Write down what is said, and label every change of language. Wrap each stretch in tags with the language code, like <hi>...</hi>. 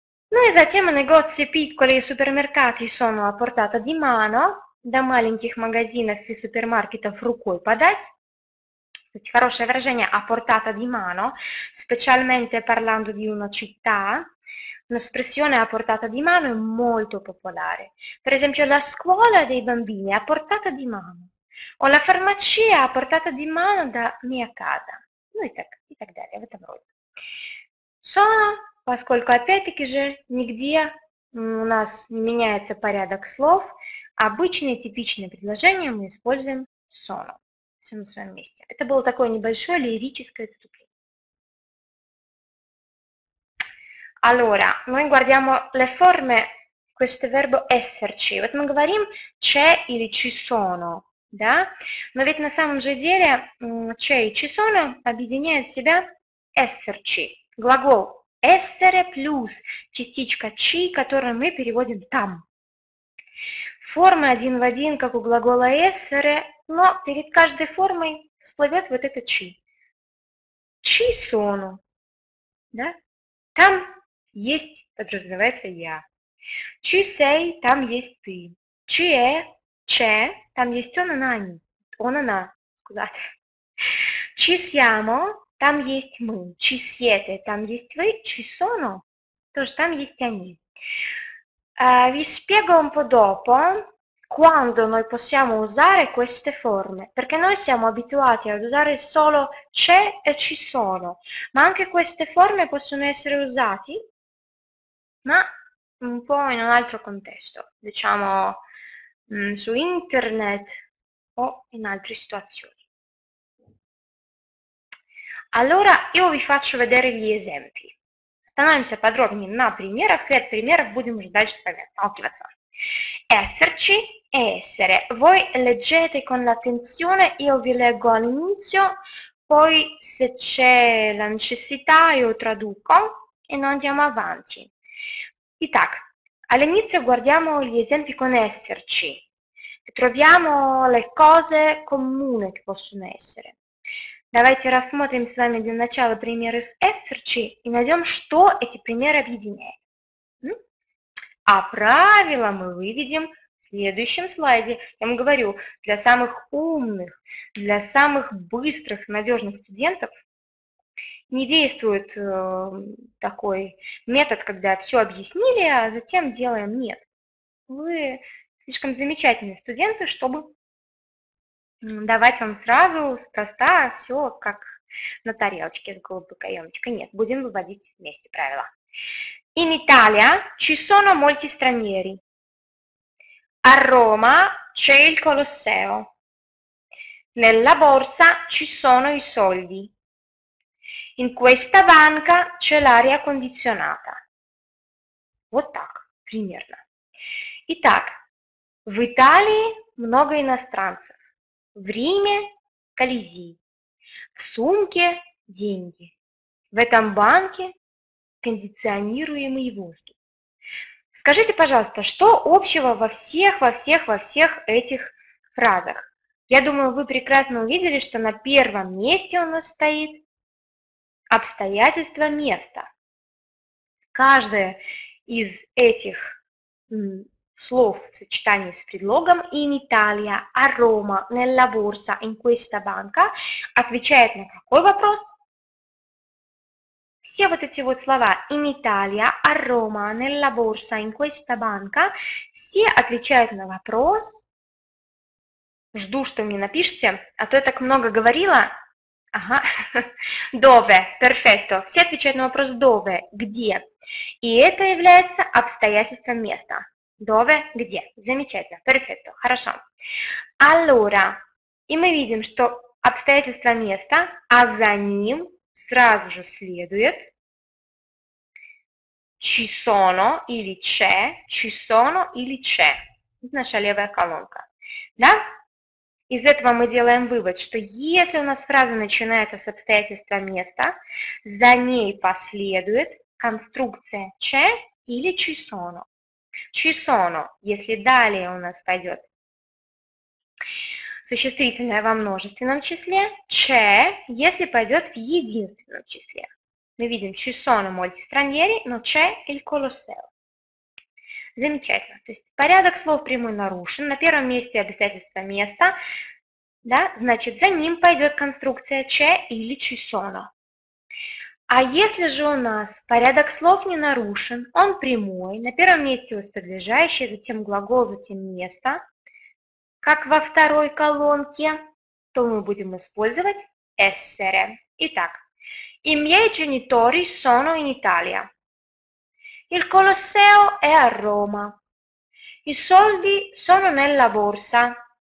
<ru>Ну и затем</ru> <it>negozi piccoli и supermercati sono a portata di mano.</it> <ru>До маленьких магазинов и супермаркетов рукой подать. Кстати, хорошее выражение</ru> <it>a portata di mano, specialmente parlando di una città. Un'espressione a portata di mano è molto popolare. Per esempio, la scuola dei bambini è a portata di mano. O la farmacia a portata di mano da mia casa.</it> <ru>Ну и так далее, в этом роде. Sono, поскольку опять-таки же нигде у нас не меняется порядок слов, обычные типичные предложения мы используем sono. Все на своем месте. Это было такое небольшое лирическое вступление.</ru> <it>Allora, noi guardiamo le forme di questo verbo esserci.</it> <ru>Вот мы говорим c'è или ci sono, да? Но ведь на самом же деле c'è и ci sono объединяют в себя esserci. Глагол essere плюс частичка ci, которую мы переводим там. Формы один в один, как у глагола essere, но перед каждой формой всплывет вот это ci.</ru> <it>Ci sono, да?</it> <ru>Там есть, подразумевается я.</ru> <it>Ci sei,</it> <ru>там есть ты.</ru> <it>Ci è, c'è,</it> <ru>там есть он, она, они. Он, она,</ru> <it>scusate. Ci siamo,</it> <ru>там есть мы.</ru> <it>Ci siete,</it> <ru>там есть вы.</ru> <it>Ci sono,</it> <ru>тоже там есть они.</ru> <it>Vi spiego un po' dopo quando noi possiamo usare queste forme, perché noi siamo abituati ad usare solo c'è e ci sono, ma anche queste forme possono essere usate, ma un po' in un altro contesto, diciamo su internet o in altre situazioni. Allora io vi faccio vedere gli esempi.</it> <ru>Становимся подробнее на примерах, и от примеров будем уже дальше с вами отталкиваться.</ru> <it>Esserci e essere. Voi leggete con l'attenzione, io vi leggo all'inizio, poi se c'è la necessità io traduco e noi andiamo avanti.</it> <ru>Итак,</ru> <it>all'inizio guardiamo gli esempi con esserci. Troviamo le cose comuni che possono essere.</it> <ru>Давайте рассмотрим с вами для начала примеры с esserci и найдем, что эти примеры объединяют. А правила мы выведем в следующем слайде. Я вам говорю, для самых умных, для самых быстрых, надежных студентов не действует такой метод, когда все объяснили, а затем делаем нет. Вы слишком замечательные студенты, чтобы давать вам сразу, спроста, все как на тарелочке с голубой каемочкой. Нет, будем выводить вместе правила.</ru> <it>In Italia ci sono molti stranieri. A Roma c'è il Colosseo. Nella borsa ci sono i soldi. In questa banca c'è l'aria condizionata.</it> <ru>Вот так, примерно. Итак, в Италии много иностранцев. В Риме – Колизей, в сумке – деньги, в этом банке – кондиционируемый воздух. Скажите, пожалуйста, что общего во всех этих фразах? Я думаю, вы прекрасно увидели, что на первом месте у нас стоит обстоятельство места. Каждое из этих слов в сочетании с предлогом</ru> <it>in Italia, a Roma, nella borsa, in questa banca</it> <ru>отвечает на какой вопрос? Все вот эти вот слова</ru> <it>in Italia, a Roma, nella borsa, in questa banca</it> <ru>все отвечают на вопрос Жду, что мне напишите, а то я так много говорила.</ru> <it>Ага. Dove? Perfetto.</it> <ru>Все отвечают на вопрос dove? Где? И это является обстоятельством места. Dove? Где? Замечательно. Perfetto. Хорошо. Allora. И мы видим, что обстоятельство места, а за ним сразу же следует ci sono или c'è, ci sono или c'è. Наша левая колонка. Да? Из этого мы делаем вывод, что если у нас фраза начинается с обстоятельства места, за ней последует конструкция c'è или ci sono. Ci sono, если далее у нас пойдет существительное во множественном числе, c'è, если пойдет в единственном числе. Мы видим</ru> <it>ci sono molti stranieri,</it> <ru>но</ru> <it>c'è il Colosseo.</it> <ru>Замечательно. То есть порядок слов прямой нарушен. На первом месте обязательство места. Да? Значит, за ним пойдет конструкция c'è или ci sono. А если же у нас порядок слов не нарушен, он прямой, на первом месте восприближающее, затем глагол, затем место, как во второй колонке, то мы будем использовать essere. Итак,</ru> <it>i miei genitori sono in Italia. Il Colosseo è a Roma. I soldi sono nella borsa.</it>